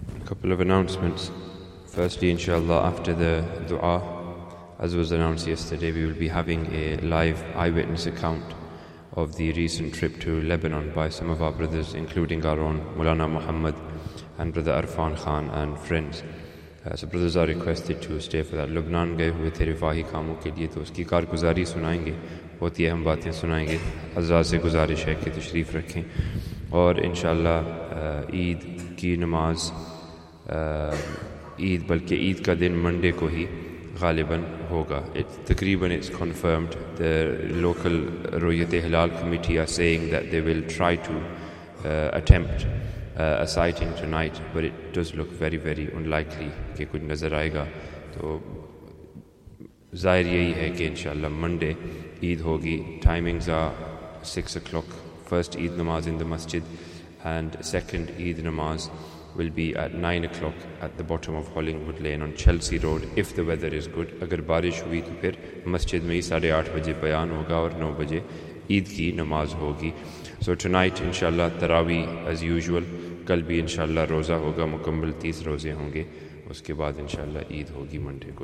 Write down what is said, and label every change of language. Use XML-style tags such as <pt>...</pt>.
<en>Couple of announcements. Firstly, inshallah, after the dua, as was announced yesterday, we will be having a live eyewitness account of the recent trip to Lebanon by some of our brothers, including our own Mulana Muhammad and Brother Arfan Khan and friends. So brothers are requested to stay for that.</en> <ur>لبنان گئے ہوئے تھے رفاہی کاموں کے لیے, تو اس کی کارگزاری سنائیں گے, بہت ہی اہم باتیں سنائیں گے. حضرت سے گزارش ہے کہ تشریف رکھیں. Aur inshallah, Eid ki namaz, عید بلکہ عید کا دن منڈے کو ہی غالباً ہوگا.</ur> <en>تقریباً it's confirmed the local Ruet Hilal committee are saying that they will try to attempt a sighting tonight, but it does look very very unlikely</en> <ur>کہ کچھ نظر آئے گا. تو ظاہر یہی ہے کہ انشاءاللہ منڈے عید ہوگی.</ur> <en>timings are 6 o'clock, first Eid namaz in the masjid, and second Eid namaz will be at 9 o'clock at the bottom of Hollingwood Lane on Chelsea Road, if the weather is good.</en> <ur>اگر بارش ہوئی تو پھر مسجد میں ہی 8:30 بجے بیان ہوگا اور 9 بجے عید کی نماز ہوگی.</ur> <en>So tonight</en> <ur>انشاءاللہ تراویح as usual, کل بھی انشاءاللہ روزہ ہوگا, مکمل 30 روزے ہوں گے, اس کے بعد انشاءاللہ عید ہوگی Monday کو.</ur>